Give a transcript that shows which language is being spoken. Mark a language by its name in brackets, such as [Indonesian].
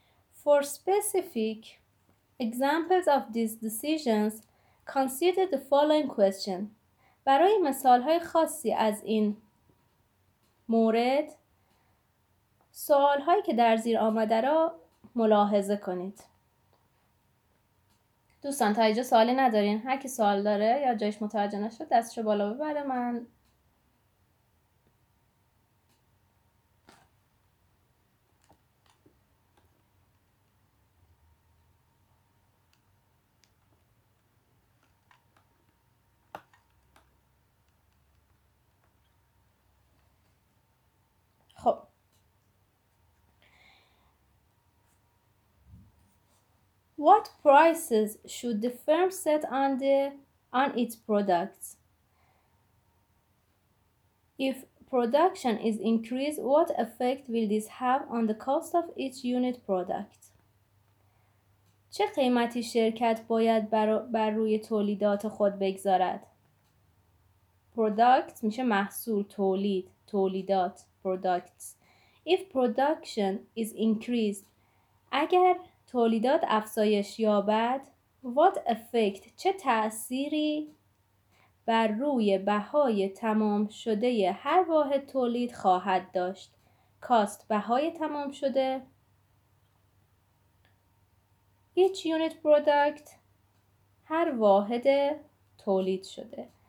[English] For specific examples of these decisions, consider the following question. [Persian] برای مثال‌های خاصی از این مورد، سوال‌هایی که در زیر آمده را ملاحظه کنید. دوستان تا اینجا سوالی ندارین؟ هر کی سوال داره یا جایش متوجه نشد دستشو بالا ببره. [English] من What prices should the firm set on the on its products? If production is increased, what effect will this have on the cost of each unit product? [Persian] چه قیمتی شرکت باید بر روی تولیدات خود بگذارد؟ Product میشه محصول، تولید، تولیدات، products. [English] If production is increased, [Persian] اگر تولیدات افزایش یابد، [English] what effect، [Persian] چه تأثیری بر روی بهای تمام شده هر واحد تولید خواهد داشت؟ cost، بهای تمام شده [English] each unit product، [Persian] هر واحد تولید شده.